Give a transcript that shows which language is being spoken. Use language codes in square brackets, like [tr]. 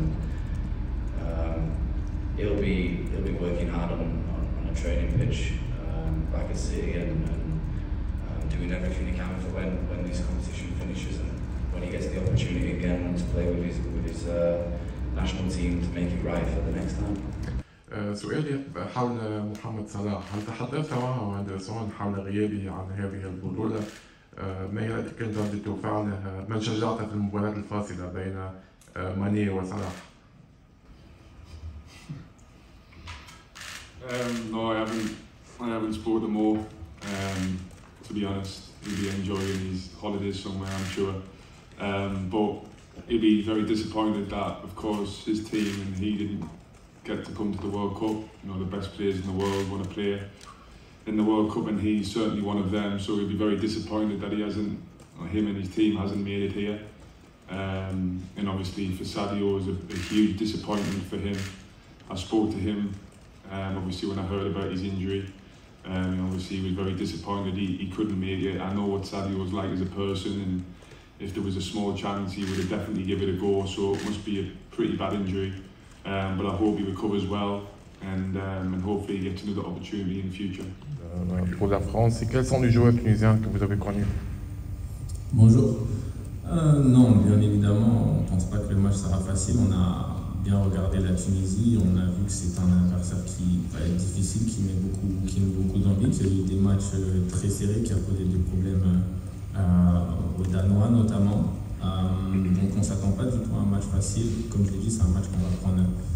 [en] And he'll be working hard on a training pitch back at City and doing everything he can for when this competition finishes and when he gets the opportunity again to play with his national team to make it right for the next time. [ar] سؤالي حول محمد صلاح، هل تحدثت معه أندرسون حول غيابه عن هذه البطولة؟ ما هي رأيك أنت رد فعله؟ من شجعته في المباراة الفاصلة بين ماني وصلاح؟ [en] No, I haven't spoken to him more. To be honest, he'll be enjoying his holidays somewhere, I'm sure. But he'll be very disappointed that, of course, his team and he didn't get to come to the World Cup. You know, the best players in the world want to play in the World Cup, and he's certainly one of them. So he'll be very disappointed that him and his team hasn't made it here. And obviously, for Sadio, it was a huge disappointment for him. I spoke to him. Obviously, when I heard about his injury, obviously he was very disappointed. He couldn't make it. I know what Sadio was like as a person, and if there was a small chance, he would have definitely given it a go. So it must be a pretty bad injury. But I hope he recovers well, and hopefully he gets another opportunity in the future. For the France, [fr] et quels sont les joueurs tunisiens que vous avez connus? Bonjour. Non, bien évidemment, on pense pas que le match sera facile. On a bien regardé la Tunisie, on a vu que c'est un adversaire qui va être difficile, qui met beaucoup d'envie, qui a eu des matchs très serrés, qui a posé des problèmes aux Danois notamment. Donc on ne s'attend pas du tout à un match facile. Comme je l'ai dit, c'est un match qu'on va prendre